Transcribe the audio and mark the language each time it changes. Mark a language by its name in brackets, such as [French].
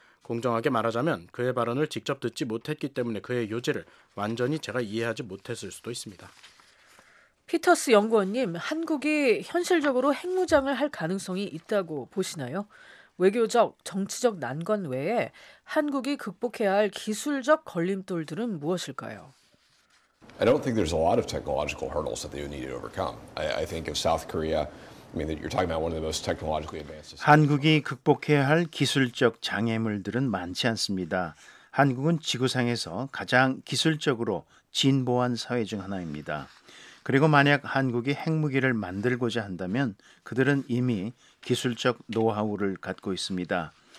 [Korean] 공정하게 말하자면 그의 발언을 직접 듣지 못했기 때문에 그의 요지를 완전히 제가 이해하지 못했을 수도 있습니다. 피터스 연구원님, 한국이 현실적으로 핵무장을 할 가능성이 있다고 보시나요? 외교적, 정치적 난관 외에 한국이 극복해야 할 기술적 걸림돌들은 무엇일까요? [English] I don't think there's a lot of technological hurdles that they would need to overcome. I think if South Korea, I mean, you're talking about one of the most technologically advanced. [Korean] 한국이 극복해야 할 기술적 장애물들은 많지 않습니다. 한국은 지구상에서 가장 기술적으로 진보한 사회 중 하나입니다. 그리고 만약 한국이 핵무기를 만들고자 한다면 그들은 이미 기술적 노하우를 갖고 있습니다.